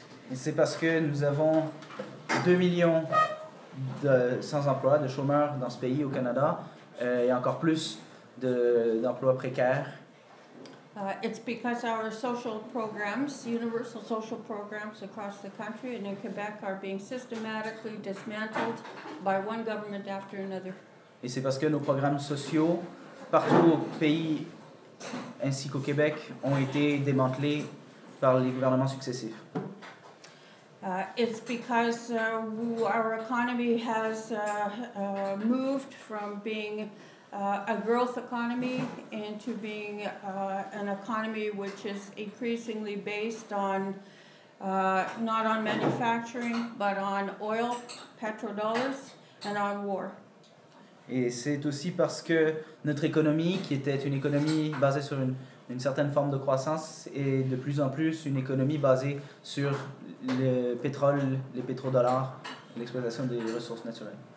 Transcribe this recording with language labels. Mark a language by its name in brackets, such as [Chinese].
[French] Et c'est parce que nous avons 2 millions de sans-emploi, de chômeurs dans ce pays, au Canada, et encore plus d'emplois précaires. [English] It's because our social programs, universal social programs across the country and in Quebec are being systematically dismantled by one government after another. [French] Et c'est parce que nos programmes sociaux, partout au pays, ainsi qu'au Québec, ont été démantelés par les gouvernements successifs. [English] It's because our economy has moved from being a growth economy into being an economy which is increasingly based on not on manufacturing but on oil, petrodollars, and on war. [French] Et c'est aussi parce que notre économie, qui était une économie basée sur une certaine forme de croissance, est de plus en plus une économie basée sur le pétrole, les pétrodollars, l'exploitation des ressources naturelles.